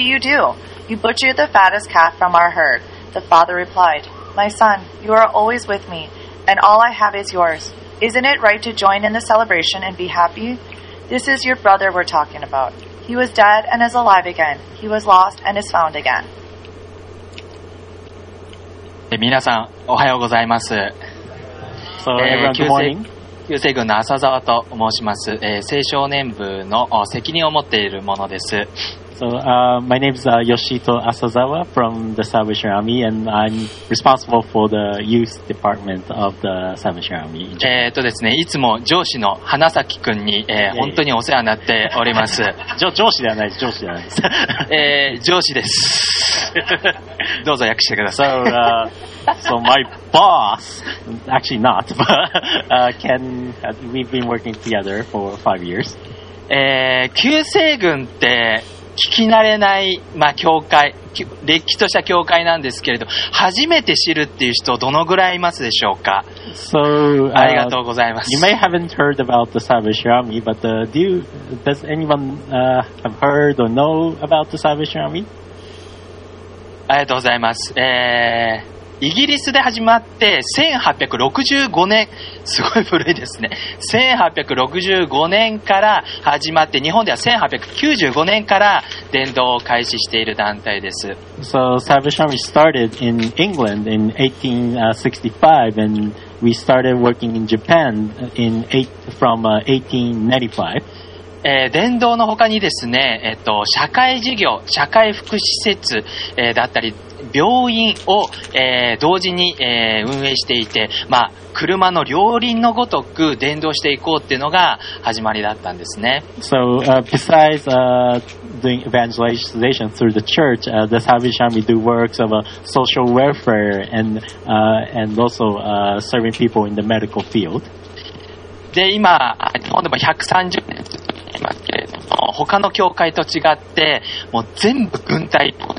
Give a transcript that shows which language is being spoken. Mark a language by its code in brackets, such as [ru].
[en] You butcher the fattest calf from our herd. The father replied, "My son, you are always with me, and all I have is yours. Isn't it right to join in the celebration and be happy? This is your brother we're talking about. He was dead and is alive again. He was lost and is found again." [ja] 皆さん、おはようございます。 [en] So everyone, good morning. [ja] 救世軍の浅澤と申します、青少年部の責任を持っているものです。 [en] So, my name is Yoshito Asazawa from the Salvation Army, and I'm responsible for the youth department of the Salvation Army in Japan. [ja] ですね、いつも上司の花崎くんに、本当にお世話になっております。上司ではないです、上司ではないです。上司です。どうぞ訳してください。 [en] So my boss, actually not, but Ken, we've been working together for 5 years. [ja] 救世軍って聞き慣れない、まあ、教会、歴史とした教会なんですけれど、初めて知るっていう人どのぐらいいますでしょうか。 [en] So, [ja] ありがとうございます。 [en] You may haven't heard about the Salvation Army, but does anyone have heard or know about the Salvation Army? [ja] ありがとうございます。イギリスで始まって1865年、すごい古いですね。 1865年から始まって、日本では1895年から伝道を開始している団体です。 [en] So Salvation Army started in England in 1865, and we started working in Japan in from 1895. [ja] 伝道の他にですね、社会事業、社会福祉施設、だったり病院を、同時に、運営していて、まあ、車の両輪のごとく伝道していこうっていうのが始まりだったんですね。 [en] So, besides, doing evangelization through the church, the Salvation Army do works of a social welfare and, and also, serving people in the medical field. [ja] で、今、日本でも130年他の教会と違って、もう全部軍隊。